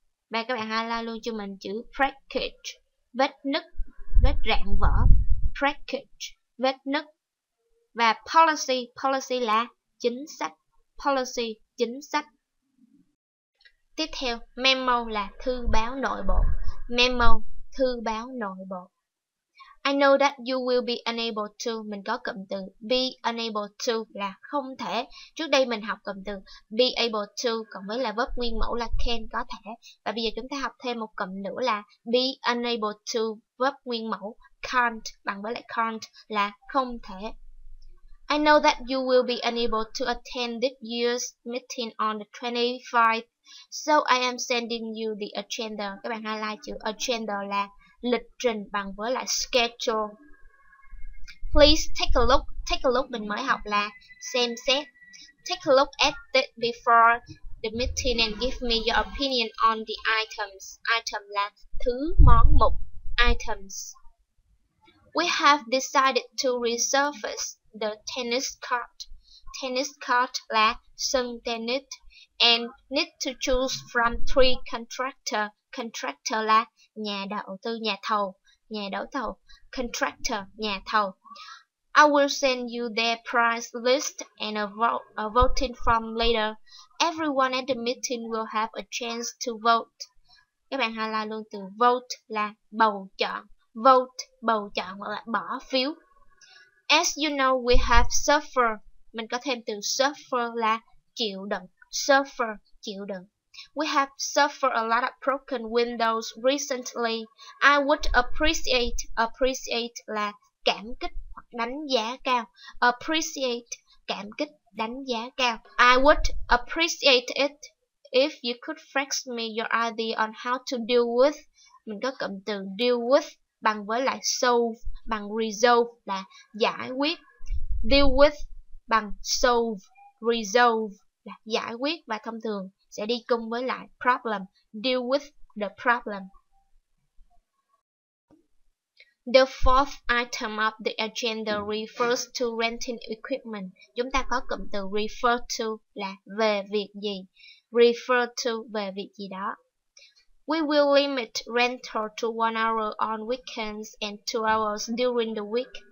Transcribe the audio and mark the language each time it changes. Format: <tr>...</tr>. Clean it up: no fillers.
<vi>Và các bạn highlight luôn cho mình chữ breakage, vết nứt, vết rạn vỡ, breakage, vết nứt. Và policy là chính sách, policy, chính sách. Tiếp theo, memo là thư báo nội bộ, memo, thư báo nội bộ.</vi> <en>I know that you will be unable to.</en> <vi>Mình có cụm từ be unable to là không thể. Trước đây mình học cụm từ be able to cộng với là verb nguyên mẫu là can, có thể. Và bây giờ chúng ta học thêm một cụm nữa là be unable to, verb nguyên mẫu can't bằng với lại can't là không thể.</vi> <en>I know that you will be unable to attend this year's meeting on the 25th. So I am sending you the agenda.</en> <vi>Các bạn highlight chữ agenda là lịch trình bằng với lại schedule.</vi> <en>Please take a look.</en> <vi>Take a look mình mới học là xem xét.</vi> <en>Take a look at it before the meeting and give me your opinion on the items.</en> <vi>Item là thứ, món, mục.</vi> <en>Items. We have decided to resurface the tennis court.</en> <vi>Tennis court là sân tennis.</vi> <en>And need to choose from three contractor.</en> <vi>Contractor là nhà đầu tư, nhà đấu thầu, contractor, nhà thầu.</vi> <en>I will send you their price list and a voting form later. Everyone at the meeting will have a chance to vote.</en> <vi>Các bạn highlight luôn từ vote là bầu chọn, vote, bầu chọn hoặc là bỏ phiếu.</vi> <en>As you know, we have suffer.</en> <vi>Mình có thêm từ suffer là chịu đựng, suffer, chịu đựng.</vi> <en>We have suffered a lot of broken windows recently.</en> <vi>I would appreciate là cảm kích hoặc đánh giá cao. Appreciate, cảm kích, đánh giá cao.</vi> <en>I would appreciate it if you could flex me your idea on how to deal with.</en> <vi>Mình có cụm từ deal with bằng với lại solve, bằng resolve là giải quyết. Deal with bằng solve, resolve là giải quyết và thông thường sẽ đi cùng với lại problem,</vi> <en>deal with the problem. The fourth item of the agenda refers to renting equipment.</en> <vi>Chúng ta có cụm từ refer to là về việc gì. Refer to về việc gì đó.</vi> <en>We will limit rental to 1 hour on weekends and 2 hours during the week.</en>